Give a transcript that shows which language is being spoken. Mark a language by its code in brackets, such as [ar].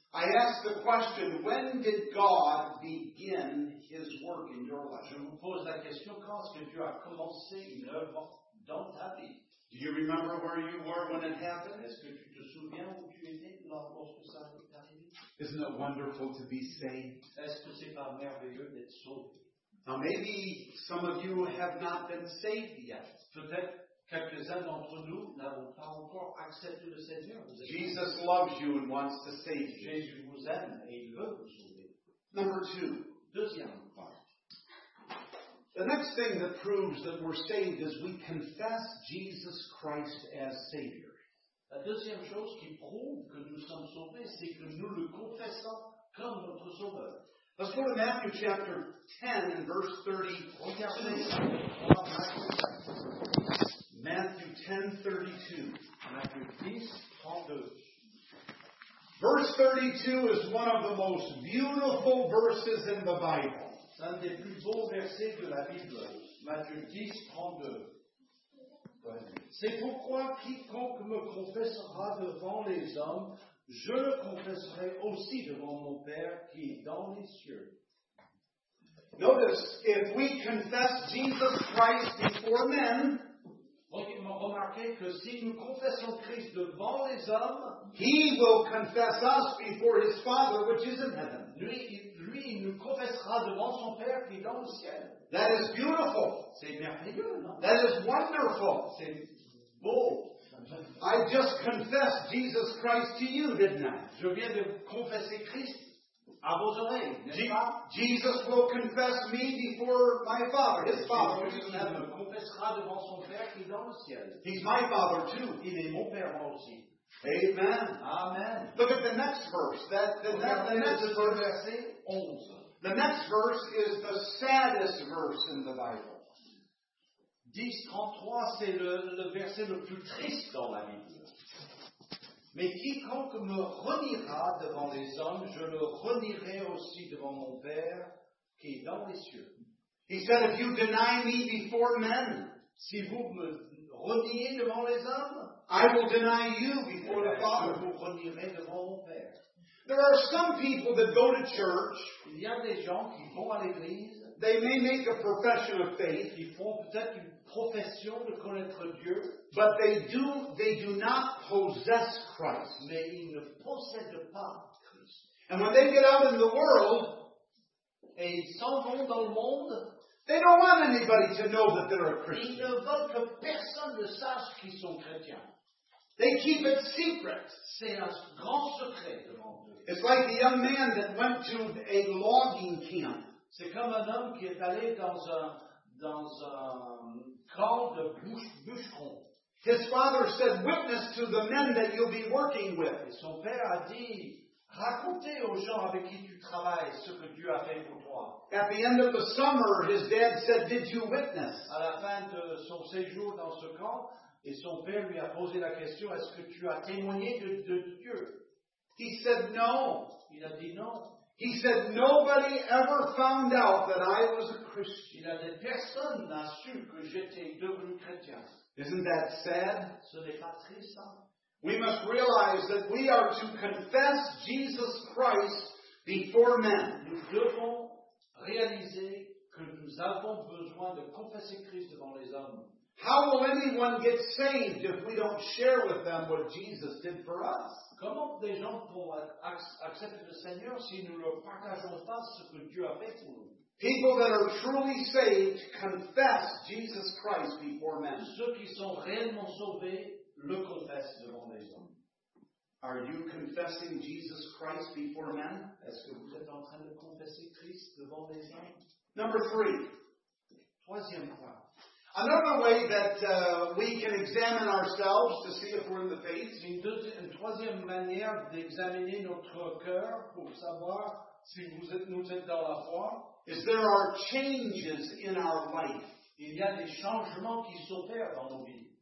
[en] I ask the question, when did God begin his work in your life? [fr] Je vous pose la question, quand est-ce que Dieu a commencé une œuvre dans ta vie? [en] Do you remember where you were when it happened? [fr] Est-ce que tu te souviens où tu étais lorsque ça a arrivé? [en] Isn't it wonderful to be saved? [fr] Est-ce que c'est pas merveilleux d'être sauvé? [en] Now maybe some of you have not been saved yet. [fr] Peut-être quelques-uns d'entre nous n'avons pas encore accepté le Seigneur. [en] Jesus loves you and wants to save you. [fr] Jésus vous aime et il veut vous sauver. [en] Number two. [fr] Deuxième part. [en] The next thing that proves that we're saved is we confess Jesus Christ as Savior. [fr] La deuxième chose qui prouve que nous sommes sauvés, c'est que nous le confessons comme notre sauveur. [en] Let's go to Matthew chapter 10 and verse 32. [fr] Regardez. [en] Matthew 10, 32. Matthew 10, 32. Verse 32 is one of the most beautiful verses in the Bible. [fr] C'est un des plus beaux versets de la Bible, Matthieu 10, 32. C'est pourquoi quiconque me confessera devant les hommes, je le confesserai aussi devant mon Père qui est dans les cieux. [en] Notice, if we confess Jesus Christ before men, [fr] remarquez que si nous confessons Christ devant les hommes, [en] he will confess us before his Father which is in heaven. [fr] Lui nous confessera devant son Père qui est dans le ciel. [en] That is beautiful. [fr] C'est merveilleux, non? [en] That is wonderful. [fr] C'est beau. [en] I just confessed Jesus Christ to you, didn't I? [fr] Je viens de confesser Christ à vos oreilles, n'est-ce pas? [en] Jesus will confess me before my Father, his Father. [fr] Jésus me confessera devant son Père qui est dans le ciel. [en] He's my Father too. [fr] Il est mon Père moi aussi. [en] Amen. [fr] Amen. [en] Look at the next verse. The next verse is the saddest verse in the Bible. [fr] 10:33, c'est le verset le plus triste dans la Bible. Mais quiconque me reniera devant les hommes, je le renierai aussi devant mon Père qui est dans les cieux. [en] He said, if you deny me before men, [fr] si vous me reniez devant les hommes, [en] I will deny you before the Father. [fr] Je vous renierai devant mon Père. [en] There are some people that go to church. [fr] Il y a des gens qui vont à l'église. [en] They may make a profession of faith. [fr] Ils font peut-être une profession de connaître Dieu. [en] But they do not possess Christ. [fr] Mais ils ne possèdent pas Christ. [en] And when they get out in the world, [fr] et ils s'en vont dans le monde, [en] they don't want anybody to know that they're a Christian. [fr] Ils ne veulent que personne ne sache qu'ils sont chrétiens. [en] They keep it secret. [fr] C'est un grand secret devant Dieu. [en] It's like the young man that went to a logging camp. [fr] C'est comme un homme qui est allé dans un camp de bûcheron. [en] His father said, witness to the men that you'll be working with. [fr] Et son père a dit, racontez aux gens avec qui tu travailles ce que Dieu a fait pour toi. [en] At the end of the summer, his dad said, did you witness? [fr] À la fin de son séjour dans ce camp, et son père lui a posé la question, est-ce que tu as témoigné de Dieu? [en] He said, no. [fr] Il a dit non. [en] He said, nobody ever found out that I was a Christian. [fr] Il a dit, personne n'a su que j'étais devenu chrétien. [en] Isn't that sad? [fr] Ce n'est pas triste. [en] We must realize that we are to confess Jesus Christ before men. [fr] Nous devons réaliser que nous avons besoin de confesser Christ devant les hommes. [en] How will anyone get saved if we don't share with them what Jesus did for us? [fr] Comment des gens pourront accepter le Seigneur si nous ne leur partageons pas ce que Dieu a fait pour nous? [en] People that are truly saved confess Jesus Christ before men. [fr] Ceux qui sont réellement sauvés le confessent devant les hommes. [en] Are you confessing Jesus Christ before men? [fr] Est-ce que vous êtes en train de confesser Christ devant les hommes? [en] Number three. [fr] Troisième point. [en] Another way that we can examine ourselves to see if we're in the faith. [fr] Une troisième manière d'examiner notre cœur pour savoir si nous êtes dans la foi. [en] Is there are changes in our life? [fr] Il y a des changements qui s'opèrent dans nos vies.